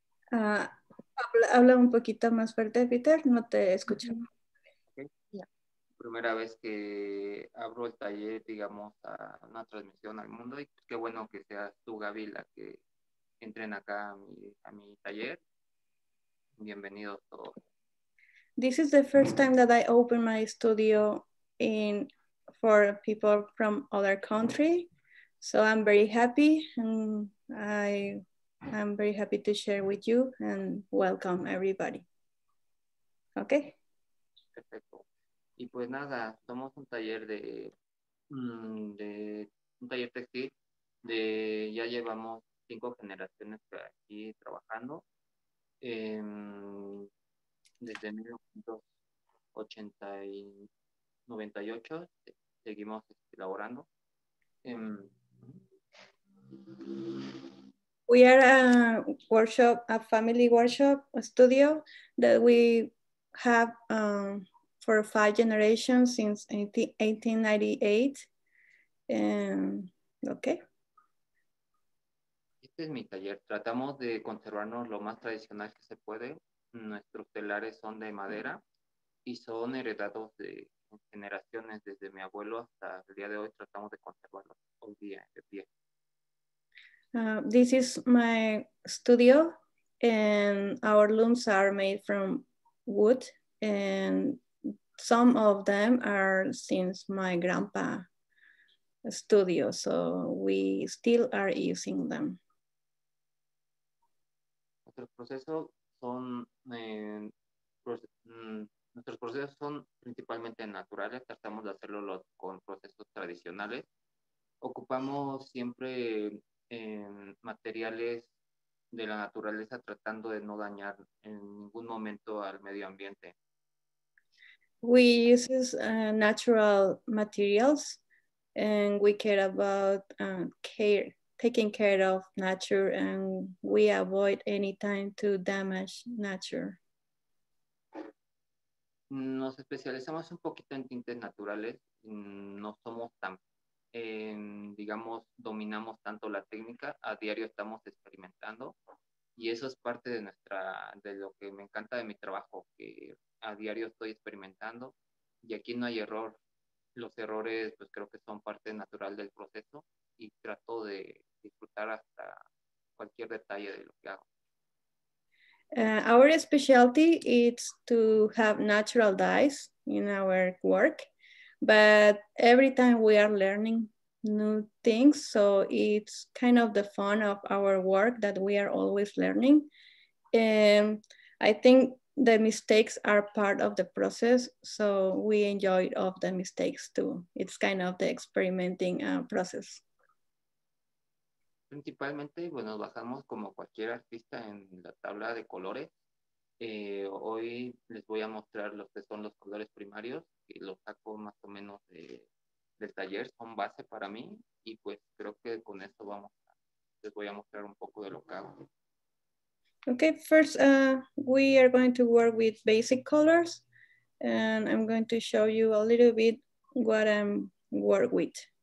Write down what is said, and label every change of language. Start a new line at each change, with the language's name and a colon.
Spanish: Habla un poquito más fuerte, Peter, no te escucho.
English: Okay. Yeah.
Spanish: Primera vez que abro el taller, digamos, a una transmisión al mundo y qué bueno que seas tú, Gaby, la que entren acá a mi taller. Bienvenidos todos.
English: This is the first time that I open my studio in for people from other country. So I'm very happy and I am very happy to share with you and welcome everybody. Okay.
Spanish: Perfecto. Y pues nada, somos un taller de un taller textil de ya llevamos 5 generaciones aquí trabajando. Desde 1998 seguimos elaborando.
English: We are a workshop, a family workshop, a studio that we have for 5 generations since 1898. Okay.
Spanish: Este es mi taller. Tratamos de conservarnos lo más tradicional que se puede. Nuestros telares son de madera y son heredados de generaciones desde mi abuelo hasta el día de hoy. Tratamos de conservarlos hoy día de pie.
English: This is my studio and our looms are made from wood and some of them are since my grandpa's studio, so we still are using them.
Spanish: Nuestro proceso son nuestro procesos son principalmente naturales, tratamos de hacerlo con procesos tradicionales. Ocupamos siempre materiales de la naturaleza, tratando de no dañar en ningún momento al medio ambiente.
English: We use natural materials and we care about care, taking care of nature, and we avoid any time to damage nature.
Spanish: Nos especializamos un poquito en tintes naturales. No somos tan, digamos, dominamos tanto la técnica. A diario estamos experimentando. Y eso es parte de nuestra, de lo que me encanta de mi trabajo, que a diario estoy experimentando. Y aquí no hay error. Los errores, pues creo que son parte natural del proceso. Y trato de disfrutar hasta cualquier detalle de lo que hago.
English: Our specialty is to have natural dyes in our work, but every time we are learning new things, so it's kind of the fun of our work that we are always learning. And I think the mistakes are part of the process, so we enjoy of the mistakes too. It's kind of the experimenting process.
Spanish: Principalmente, bueno, bajamos como cualquier artista en la tabla de colores. Hoy les voy a mostrar los que son los colores primarios, que los saco más o menos del taller, son base para mí, y pues creo que con esto les voy a mostrar un poco de lo que hago.
English: Okay, first we are going to work with basic colors, and I'm going to show you a little bit what I'm work with.